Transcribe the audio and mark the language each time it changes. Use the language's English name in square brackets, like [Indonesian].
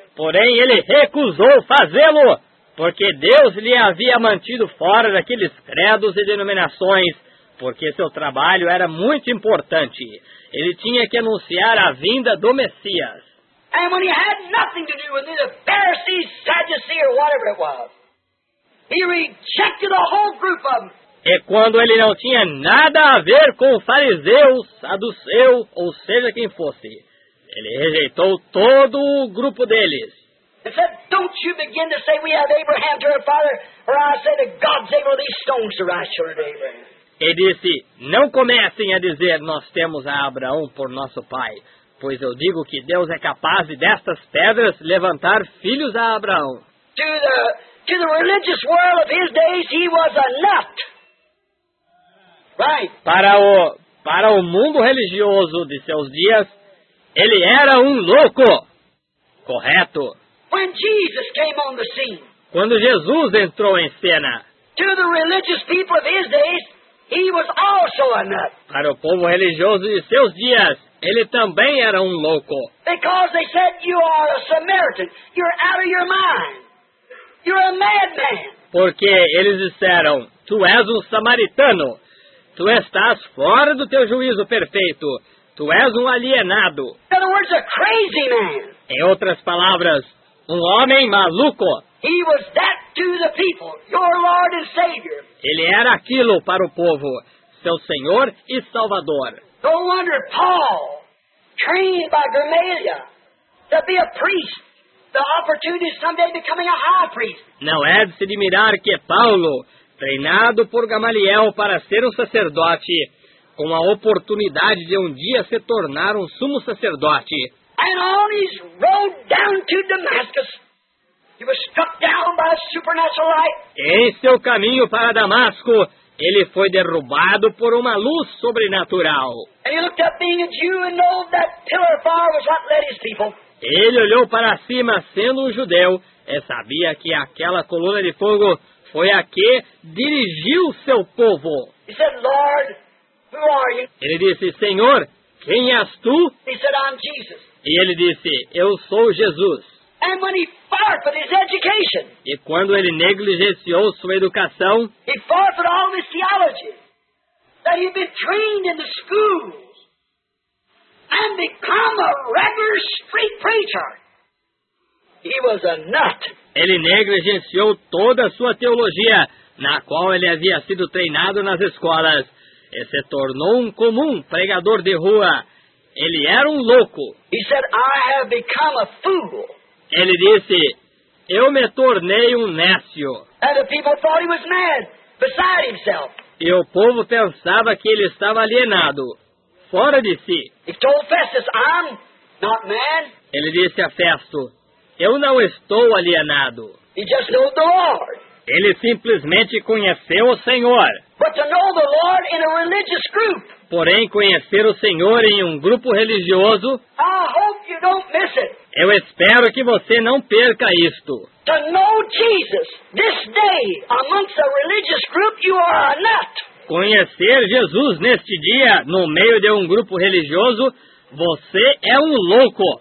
[Portuguese] Porém, ele recusou fazê-lo, porque Deus lhe havia mantido fora daqueles credos e denominações, porque seu trabalho era muito importante. Ele tinha que anunciar a vinda do Messias. [English] And when he had nothing to do with it, the Pharisees, Sadducees, or whatever it was, he rejected a whole group of them. [Portuguese] E quando ele não tinha nada a ver com os fariseus, saduceu, ou seja quem fosse, ele rejeitou todo o grupo deles. [English] He said, don't you begin to say we have Abraham to our father, or I say that God's able these stones to rise children of Abraham. [Portuguese] E disse, não comecem a dizer, nós temos a Abraão por nosso pai, pois eu digo que Deus é capaz de destas pedras levantar filhos a Abraão. [English] To the religious world of his days, he was a nut. Right. [Portuguese] Para o mundo religioso de seus dias, ele era um louco. Correto. [English] When Jesus came on the scene, [Portuguese] quando Jesus entrou em cena, [English] to the religious people of his days, he was also a nut. [Portuguese] Para o povo religioso de seus dias, ele também era um louco. [English] Because they said, you are a Samaritan. You're out of your mind. You're a madman. [Portuguese] Porque eles disseram, tu és um samaritano. Tu estás fora do teu juízo perfeito. Tu és um alienado. [English] In other words, a crazy man. [Portuguese] Em outras palavras, um homem maluco. [English] He was that to the people, your Lord and Savior. [Portuguese] Ele era aquilo para o povo, seu Senhor e Salvador. [English] No wonder Paul, trained by Gamaliel to be a priest, the opportunity someday becoming a high priest. [Portuguese] Não é de se admirar que Paulo, treinado por Gamaliel para ser um sacerdote, com a oportunidade de um dia se tornar um sumo sacerdote. [English] And on his road down to Damascus, he was struck down by a supernatural light. [Portuguese] Em seu caminho para Damasco, ele foi derrubado por uma luz sobrenatural. [English] And he looked up being a Jew and knew that pillar of fire was what led his people. [Portuguese] Ele olhou para cima sendo um judeu e sabia que aquela coluna de fogo foi a que dirigiu seu povo. [English] He said, Lord, who are you? [Portuguese] Ele disse, Senhor, quem és tu? [English] He said, I'm Jesus. [Portuguese] E ele disse, eu sou Jesus. [English] And when he forfeited his education, [Portuguese] e quando ele negligenciou sua educação, [English] he forfeited all his theology that he'd been trained in the schools and become a regular street preacher. He was a nut. [Portuguese] Ele negligenciou toda a sua teologia, na qual ele havia sido treinado nas escolas, e se tornou um comum pregador de rua. Ele era um louco. [English] He said, I have become a fool. [Portuguese] Ele disse, eu me tornei um nécio. [English] And the people thought he was mad, beside himself. [Portuguese] E o povo pensava que ele estava alienado, fora de si. [English] He told Festus, I'm not mad. [Portuguese] Ele disse a Festo, eu não estou alienado. [English] He just knew the Lord. [Portuguese] Ele simplesmente conheceu o Senhor. [English] But to know the Lord in a religious group. [Portuguese] Porém, conhecer o Senhor em um grupo religioso, [English] I hope you don't miss it. [Portuguese] Eu espero que você não perca isto. [English] To know Jesus this day amongst a religious group, you are a nut. [Portuguese] Conhecer Jesus neste dia, no meio de um grupo religioso, você é um louco.